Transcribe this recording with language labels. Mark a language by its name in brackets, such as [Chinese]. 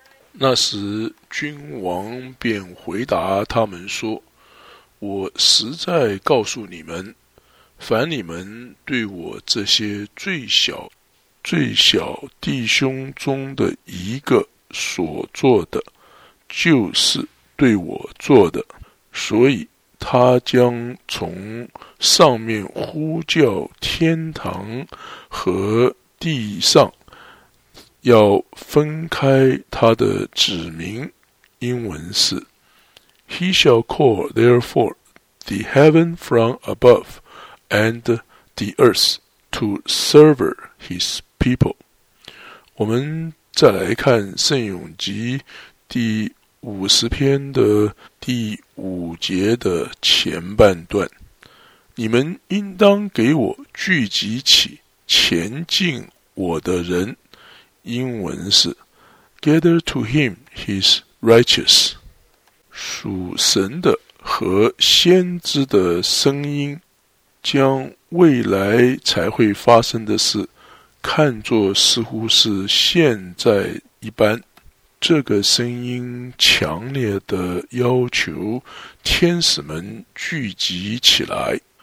[Chinese] 那时君王便回答他们说，我实在告诉你们，凡你们对我这些最小弟兄中的一个所做的，就是对我做的。所以他将从上面呼叫天堂和地上，要分开他的子民。 [English] 英文是 He shall call therefore the heaven from above and the earth to sever his people。 [Chinese] 我们再来看圣咏集第50篇的第5节的前半段，你们应当给我聚集起前进我的人。 [English] 英文是 Gather to him his righteous。 [Chinese] 属神的和先知的声音，将未来才会发生的事看作似乎是现在一般。这个声音强烈地要求天使们聚集起来。